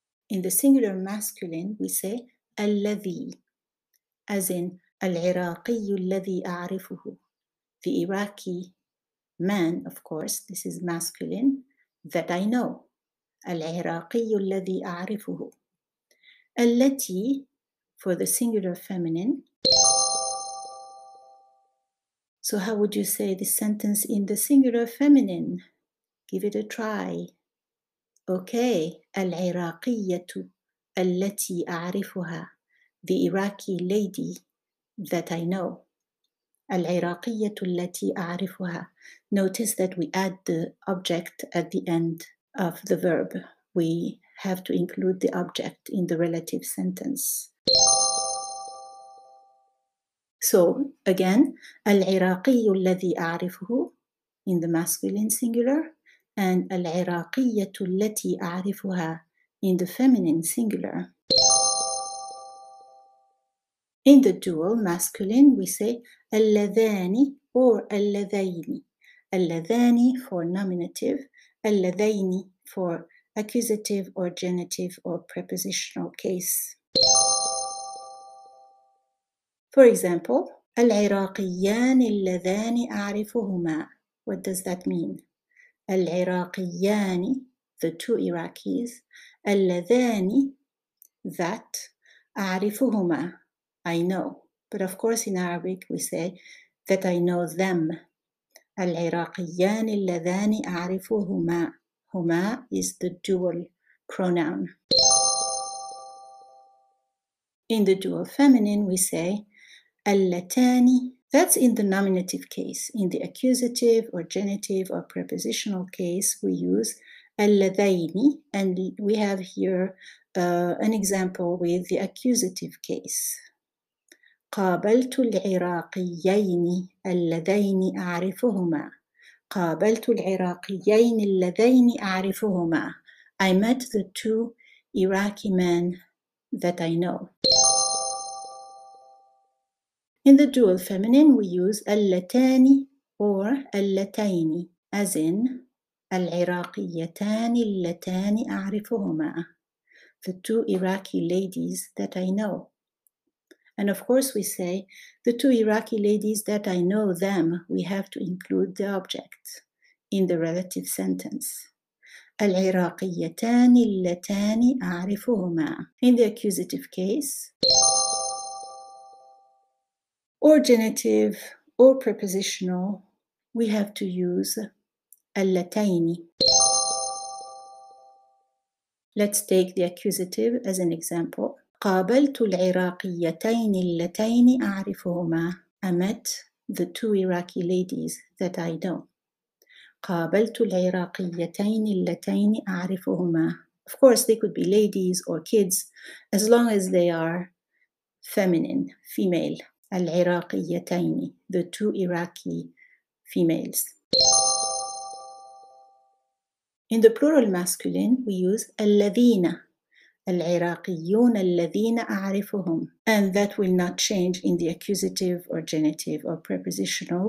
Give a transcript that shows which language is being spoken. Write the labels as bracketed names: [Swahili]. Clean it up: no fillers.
[English] In the singular masculine, we say al-ladhi, as in [Arabic] العراقي الذي أعرفه, [English] the Iraqi man, of course, this is masculine, that I know. [Arabic] العراقي الذي أعرفه. التي, [English] for the singular feminine. So how would you say this sentence in the singular feminine? Give it a try. Okay, [Arabic] العراقية التي أعرفها, [English] the Iraqi lady. That I know. [Arabic] العراقية التي أعرفها. [English] Notice that we add the object at the end of the verb. We have to include the object in the relative sentence. So again, [Arabic] العراقي الذي أعرفه [English] in the masculine singular and [Arabic] العراقية التي أعرفها [English] in the feminine singular. In the dual masculine, we say اللذاني or اللذيني. اللذاني for nominative, اللذيني for accusative or genitive or prepositional case. For example, [Arabic] العراقيان اللذان أعرفهما. [English] What does that mean? العراقيان, the two Iraqis, اللذان, that, أعرفهما. I know, but of course in Arabic we say that I know them. [Arabic] العراقيان اللذان أعرفهما. [English] هما is the dual pronoun. In the dual feminine we say اللتان. That's in the nominative case. In the accusative or genitive or prepositional case we use اللذين, and we have here an example with the accusative case. [Arabic] قابلت العراقيين اللذين أعرفهما. قابلت العراقيين اللذين أعرفهما. [English] I met the two Iraqi men that I know. In the dual feminine, we use اللتان or اللتين, as in [Arabic] العراقيتان اللتان أعرفهما. [English] The two Iraqi ladies that I know. And of course we say, the two Iraqi ladies that I know them, we have to include the object in the relative sentence. [Arabic] العراقيتان اللتان أعرفهما. [English] In the accusative case, or genitive, or prepositional, we have to use اللتين. Let's take the accusative as an example. [Arabic] قابلت العراقيتين اللتين أعرفهما. [English] I met the two Iraqi ladies that I know. [Arabic] قابلت العراقيتين اللتين أعرفهما. [English] Of course, they could be ladies or kids, as long as they are feminine, female. العراقيتين, the two Iraqi females. In the plural masculine, we use الذين. [Arabic] العراقيون الذين أعرفهم. [English] And that will not change in the accusative or genitive or prepositional.